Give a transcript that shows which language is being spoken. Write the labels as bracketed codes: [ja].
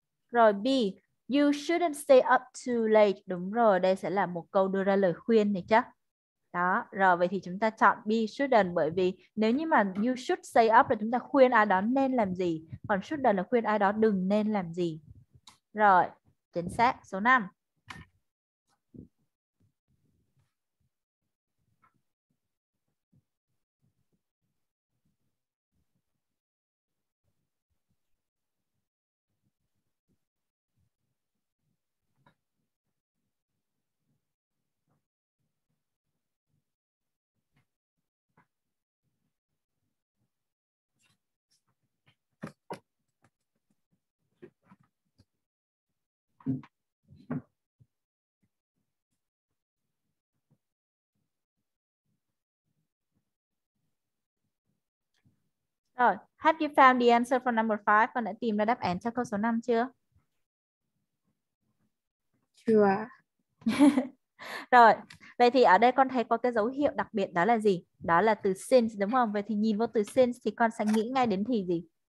[en] Rồi B, you shouldn't stay up too late. [vi] Đúng rồi, đây sẽ là một câu đưa ra lời khuyên này chứ. Đó, rồi vậy thì chúng ta chọn B, shouldn't, bởi vì nếu như mà [en] you should stay up [vi] là chúng ta khuyên ai đó nên làm gì, còn shouldn't là khuyên ai đó đừng nên làm gì. Rồi, chính xác, số 5. [en] Rồi, have you found the answer for number 5? [vi] Con đã tìm ra đáp án cho câu số 5 chưa? Chưa. Rồi, vậy thì ở đây con thấy có cái dấu hiệu đặc biệt đó là gì? Đó là từ since, đúng không? Vậy thì nhìn vào từ since thì con sẽ nghĩ ngay đến thì gì?